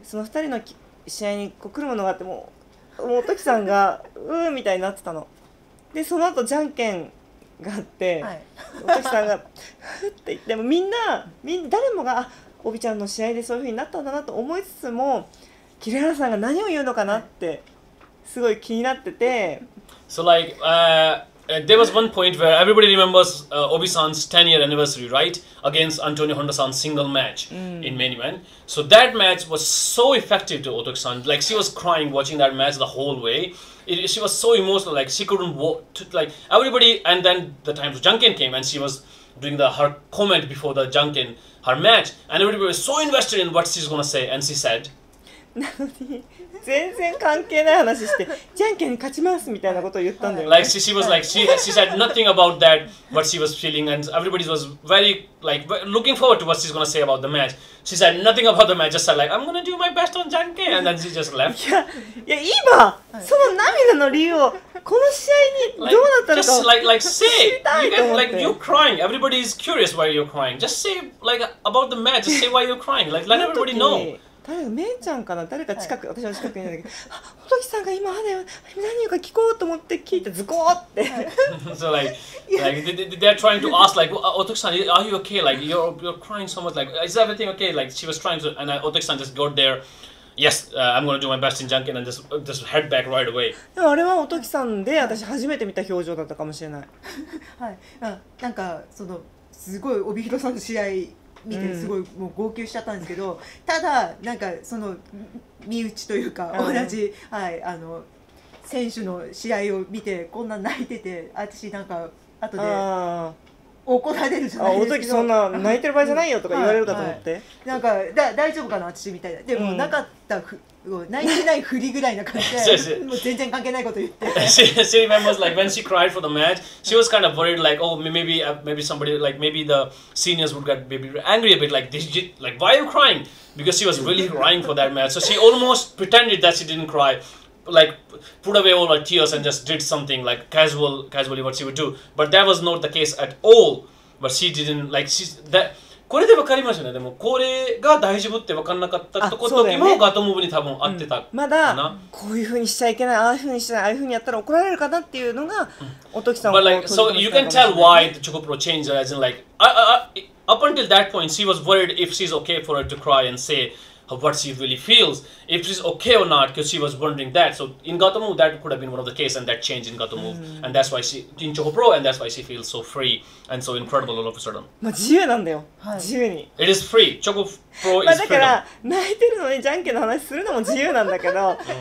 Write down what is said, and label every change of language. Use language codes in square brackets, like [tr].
[ja] その2人の試合にこう来るものがあってもうおときさんがうーみたいになってたのでその後じゃんけんがあって、はい、おときさんがふって言ってもみんな誰もがオフィちゃんの試合でそういう風になったんだなと思いつつもキレハラさんが何を言うのかなって、はいすごい気になってて [en] So like、there was one point where everybody remembers、Obi-san's 10 year anniversary right against Antonio Honda-san's single match、 mm. in Main Event so that match was so effective to Otoki-san like she was crying watching that match the whole way it, she was so emotional like she couldn't walk to, like everybody and then the time for Junkin came and she was doing the her comment before the Junkin her match and everybody was so invested in what she's gonna say and she said [ja] 全然関係ない話してじゃんけんに勝ちますみたいなことを言ったんだよ、ね、 [en] like she was like she said nothing about that what she was feeling and everybody was very like looking forward to what she's gonna say about the match she said nothing about the match just said like I'm gonna do my best on じゃんけん and then she just left [ja] いや今、はい、その涙の理由をこの試合にどうなったのかを [en] like, say, [ja] 知りたいと思って [en] you get, like you're crying everybody is curious why you're crying just say like about the match just say why you're crying like let everybody know [ja] 誰かめんちゃんかな誰か近く、はい、私は近くにいるんだけど、おときさんが今あれ何をか聞こうと思って聞いてズコーって。 [en] So like they're trying to ask like おときさん are you okay like you're crying so much like is everything okay like she was trying to and おときさん just got there yes、I'm gonna do my best in junkin and just head back right away。 [ja] でもあれはおときさんで私初めて見た表情だったかもしれない。はい、まあ、なんかそのすごい帯広さんの試合。見てすごいもう号泣しちゃったんですけど、うん、ただなんかその身内というか同じ、はい、あの選手の試合を見てこんな泣いてて私なんか後で怒られるじゃないですか。あ、おときそんな泣いてる場合じゃないよとか言われるかと思って。はいはい、なんかだ大丈夫かな私みたいな。でもなかったふ、うん、泣いてないふりぐらいな感じで、もう全然関係ないこと言って。 [en] She remembers like when she cried for the match, she was kind of worried like, oh, maybe somebody like maybe the seniors would get maybe angry a bit like, did you, like why are you crying? Because she was really crying for that match, so she almost pretended that she didn't cry. Like put away all her tears and just did something like casually what she would do, but that was not the case at all. But she didn't like she that. [ja] これでわかりましたね。でもこれが大丈夫ってわかんなかったとこと、ね、今ガトムーブに多分合ってたかな、うん。まだこういうふうにしちゃいけない、ああいうふうにしちゃいああいうふうにやったら怒られるかなっていうのが、うん、おときさんは。 [en] But like so you can tell why the Choco Pro changed as in like up until that point she was worried if she's okay for her to cry and say. Of what she really feels, if she's okay or not, because she was wondering that. So in Gato Move, that could have been one of the case, and that changed in Gato Move,、mm-hmm. and that's why she in Choco Pro, and that's why she feels so free and so incredible all of a sudden. [ja] まあ自由なんだよ。自由に。 [en] It is free. Choco Pro is freedom. [ja] まあだから泣いてるのにジャンケンの話するのも自由なんだけど。